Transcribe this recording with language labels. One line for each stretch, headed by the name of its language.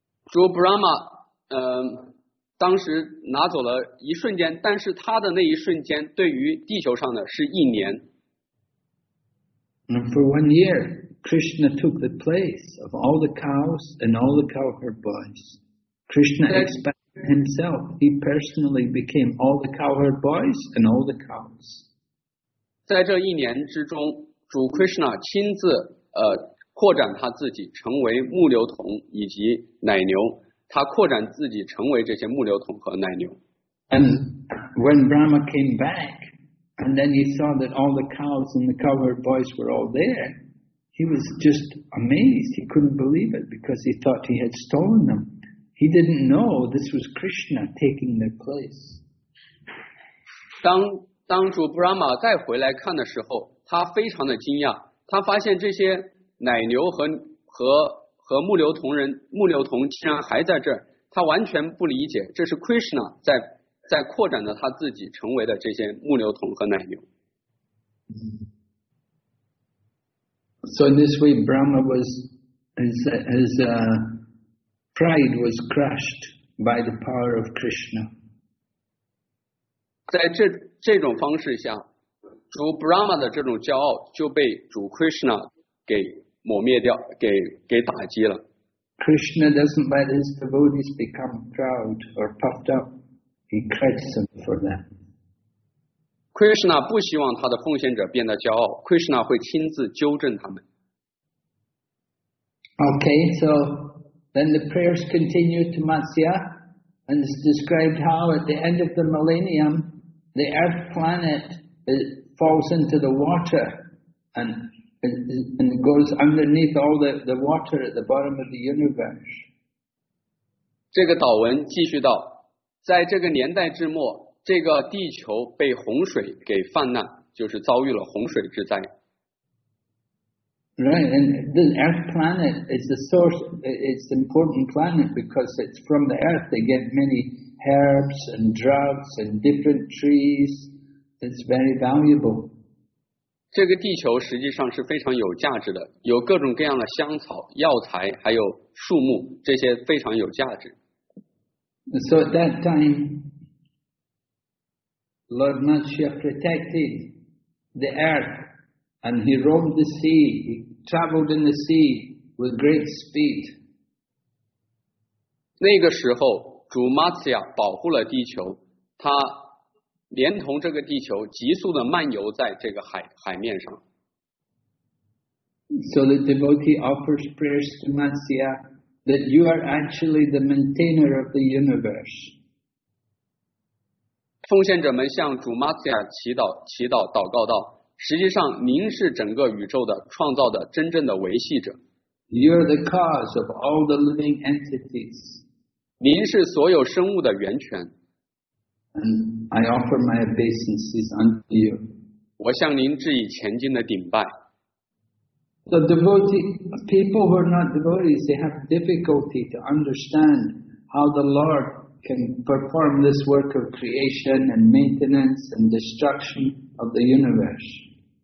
Chinese: 主 Brahma, 当时拿走了一瞬间，但是他的那一瞬间对于地球上的是一年。
English: And for 1 year, Krishna took the place of all the cows and all the cowherd boys. Krishna expanded himself. He personally became all the cowherd boys and all the cows.
Chinese: 在这一年之中，主 Krishna 亲自。扩展他自己成为牧牛童以及奶牛，他扩展自己成为这些牧牛童和奶牛。
English: And when Brahma came back, and then he saw that all the cows and the cowherd boys were all there, he He was just amazed. He couldn't believe it because he thought he had stolen them. He didn't know this was Krishna taking their place.
Chinese: 当主 Brahma 再回来看的时候, 他非常的惊讶, 他发现这些奶牛和牧牛同人, 牧牛同竟然还在这儿, 他完全不理解, 这是 Krishna 在扩展着他自己成为的这些牧牛同和奶牛。
English: So in this way, Brahma was, his pride was crushed by the power of Krishna.
Chinese: 在这种方式下, 主 Brahma的这种骄傲就被主 Krishna给抹灭掉,给打击了。
English: Krishna doesn't let his devotees become proud or puffed up. He crushes them for that.
Chinese: Krishna 不希望他的奉献者变得骄傲, Krishna 会亲自纠正他们。
English: Okay, so then the prayers continue to Matsya, and it's described how at the end of the millennium, the earth planet falls into the water and goes underneath all the water at the bottom of the universe.
Chinese: 这个导文继续道, 在这个年代之末, 这个地球被洪水给泛滥, 就是遭遇了洪水之灾。
English: Right, and the Earth planet is the source, it's an important planet because it's from the Earth they get many herbs and drugs and different trees. It's very valuable.
Chinese: 这个地球实际上是非常有价值的, 有各种各样的香草, 药材, 还有树木, 这些非常有价值。
English: So at that time, Lord Matsya protected the Earth and he roamed the sea. Traveled in the sea with great speed.
Chinese: 那个时候, 主 Matsya 保护了地球, 他连同这个地球, 急速地漫游在这个海面上。
English: So the devotee offers prayers to Matsya that you are actually the maintainer of the universe.
Chinese: 奉献者们向主 Matsya 祈祷祷告道, 实际上您是整个宇宙的创造的真正的维系者。
English: You're the cause of all the living entities.
Chinese: 您是所有生物的源泉。
English: And I offer my obeisances unto you.
Chinese: 我向您致以前进的顶拜。
English: The devotee, people who are not devotees, they have difficulty to understand how the Lord can perform this work of creation and maintenance and destruction of the universe.